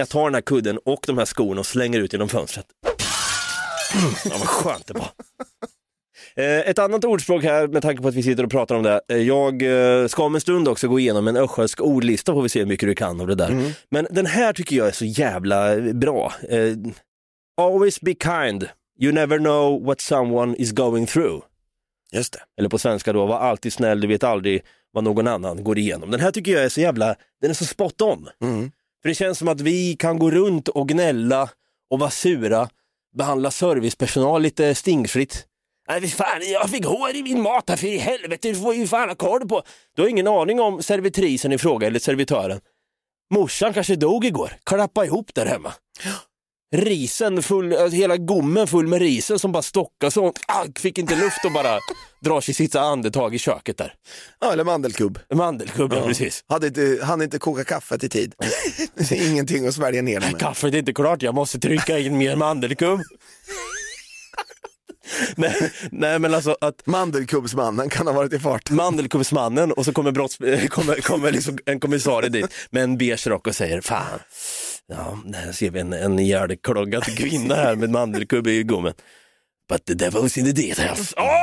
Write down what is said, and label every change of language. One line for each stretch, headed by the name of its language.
Swedish: Jag tar den här kudden och de här skorna och slänger ut genom fönstret. Ja, vad skönt det var. Ett annat ordspråk här, med tanke på att vi sitter och pratar om det. Jag ska om en stund också gå igenom en östgötsk ordlista, får vi se hur mycket du kan av det där. Men den här tycker jag är så jävla bra.
English: Always be kind. You never know what someone is going through.
Swedish: Just det. Eller på svenska då, var alltid snäll, du vet aldrig vad någon annan går igenom. Den här tycker jag är så jävla, den är så spot on. För det känns som att vi kan gå runt och gnälla och vara sura, behandla servicepersonal lite stingfritt. Nej, fan, jag fick hår i min mat här, för i helvete, du får ju fan ha koll på. Du har ingen aning om servitrisen i fråga eller servitören. Morsan kanske dog igår, klappa ihop där hemma. Risen full, hela gommen full med risen som bara stockar sånt. Ah, fick inte luft och bara drar sig sitt andetag i köket där. Ja, eller mandelkubb. Mandelkubb, ja, precis. Hade inte kokat kaffe i tid. Ingenting att svälja ner med. Kaffet är inte klart, jag måste trycka in mer mandelkubb. Nej, men alltså att mandelkubbsmannen kan ha varit i fart. Mandelkubbsmannen, och så kommer liksom en kommissarie dit med en beige rock och säger, fan, ja, här ser vi en hjärdekloggad kvinna här med mandelkubb i gommen.
English: But the devil is in the details.